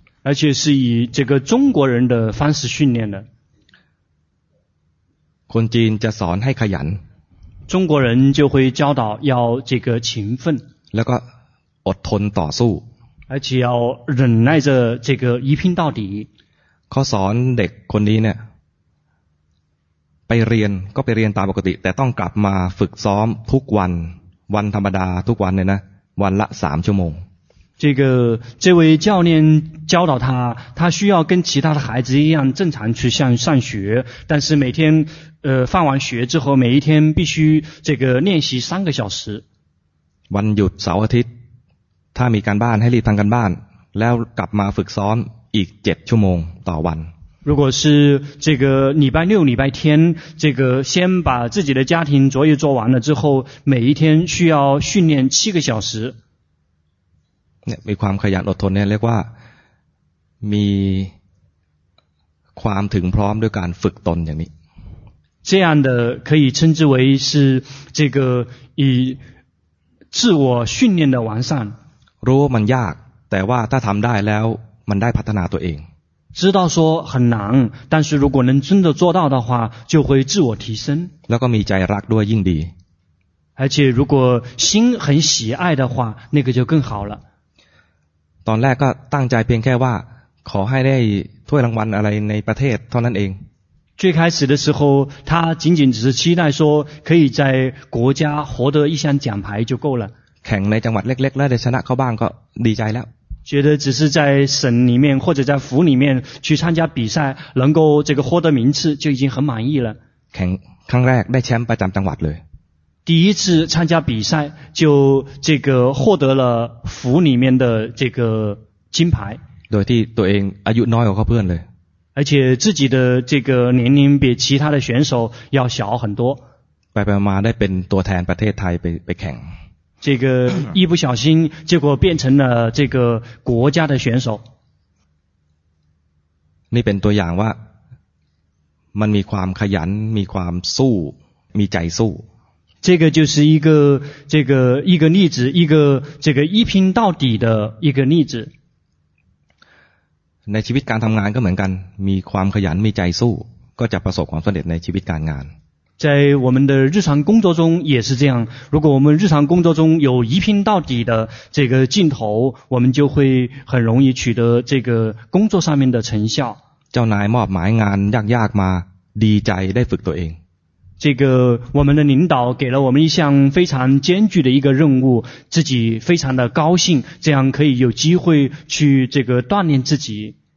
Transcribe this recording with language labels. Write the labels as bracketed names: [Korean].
[Chinese] 而且是以这个中国人的方式训练的 [Thai] คนจีนจะสอนให้ขยัน [Chinese] 中国人就会教导要这个勤奋 [Thai] แล้วก็อดทนต่อสู้ [Chinese] 而且要忍耐着这个一拼到底 [Thai] เขาสอนเด็กคนนี้เนี่ยไปเรียนก็ไปเรียนตามปกติแต่ต้องกลับมาฝึกซ้อมทุกวันวันธรรมดาทุกวันเลยนะวันละ3ชั่วโมง [Chinese] 这个这位教练教导他他需要跟其他的孩子一样正常去向上学但是每天放完学之后每一天必须这个练习3个小时 [Thai] วันหยุดเสาร์อาทิตย์ถ้ามีการบ้านให้รีบทำการบ้านแล้วกลับมาฝึกซ้อมอีก7ชั่วโมงต่อวัน [Chinese] 如果是这个礼拜六礼拜天这个先把自己的家庭作业做完了之后每一天需要训练7个小时 [Thai] เนี่ยมีความขยันอดทนเนี่ยเรียกว่ามีความถึงพร้อมด้วยการฝึกตนอย่างนี้ [Chinese] 这样的可以称之为是这个以自我训练的完善。 [Thai] รู้ว่ามันยากแต่ว่าถ้าทำได้แล้วมันได้พัฒนาตัวเอง [Chinese] 知道说很难，但是如果能真的做到的话，就会自我提升。 [Thai] แล้วก็มีใจรักด้วยยิ่งดี。 [Chinese] 而且如果心很喜爱的话，那个就更好了。 [Thai] ตอนแรกก็ตั้งใจเพียงแค่ว่าขอให้ได้ถ้วยรางวัลอะไรในประเทศเท่านั้นเอง。 [Chinese] 最开始的时候，他仅仅只是期待说可以在国家获得一项奖牌就够了。 [Thai] แข่งในจังหวัดเล็กๆแล้วได้ชนะเข้าบ้างก็ดีใจแล้ว [Chinese] 觉得只是在省里面或者在府里面去参加比赛能够这个获得名次就已经很满意了 [Thai] แข่งครั้งแรกได้แชมป์ประจำจังหวัดเลย [Chinese] 第一次参加比赛就这个获得了府里面的这个金牌 [Thai] โดยที่ตัวเองอายุน้อยกว่าเพื่อนเลย [Chinese] 而且自己的这个年龄比其他的选手要小很多 [Thai] ไปมาได้เป็นตัวแทนประเทศไทยไปแข่ง [Chinese] 这个一不小心结果变成了这个国家的选手 [Thai] นี่เป็นตัวอย่างว่ามันมีความขยันมีความสู้มีใจสู้ [Chinese] 这个就是一个例子这个一拼到底的一个例子 [Thai] ในชีวิตการทำงานก็เหมือนกันมีความขยันมีใจสู้ก็จะประสบความสำเร็จในชีวิตการงาน [Chinese] 在我们的日常工作中也是这样如果我们日常工作中有一拼到底的这个劲头我们就会很容易取得这个工作上面的成效叫奶妈买案样样嘛理解得服对应这个我们的领导给了我们一项非常艰巨的一个任务自己非常的高兴这样可以有机会去这个锻炼自己